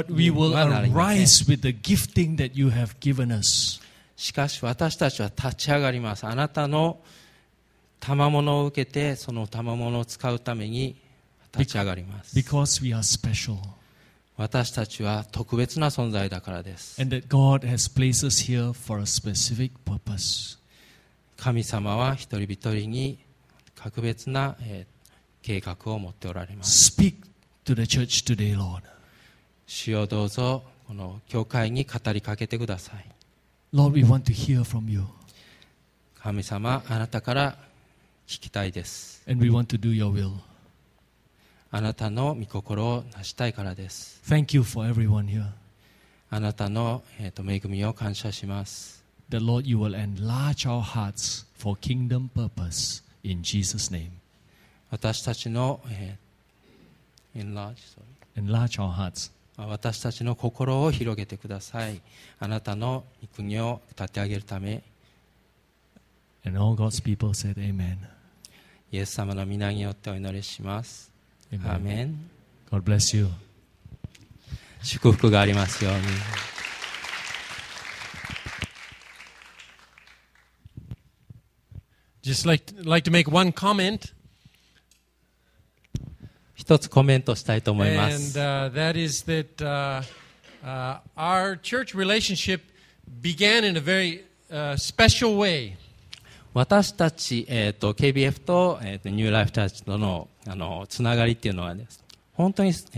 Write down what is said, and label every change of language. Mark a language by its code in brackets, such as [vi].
[ja] ではなりません。しかし私たちは立ち上がります。あなたの賜物を受けてその賜物を使うために立ち上がります。 [en] Because we are special. [ja] 私たちは特別な存在だからです。 [en] And that God has placed us here for a specific purpose. [ja] 神様は一人一人に格別な計画を持っておられます。 [en] Speak to the church today, Lord. [ja] 主よどうぞこの教会に語りかけてください。 [en] Lord, we want to hear from you. [ja] 神様、あなたから聞きたいです。 [en] And we want to do your will. [ja] あなたの御心を成したいからです。 [en] Thank you for everyone here. [ja] あなたの恵みを感謝します。 [en] The Lord, you will enlarge our hearts for kingdom purpose in Jesus' name. [ja] 私たちの、 [en] enlarge our hearts. [ja] 私たちの心を広げてください。あなたの御国を立て上げるため。 [en] And all God's people said, Amen. [ja] イエス様の御名によってお祈りします。アーメン。 [en] God bless you. [ja] 祝福がありますように。 [en] Just like to make one comment. [ja] 一つコメントしたいと思います。 [en] And that is that our church relationship began in a very special way. [ja] 私たち、KBF と、ニューライフチャーチとのつながりっていうのは、ね、本当に、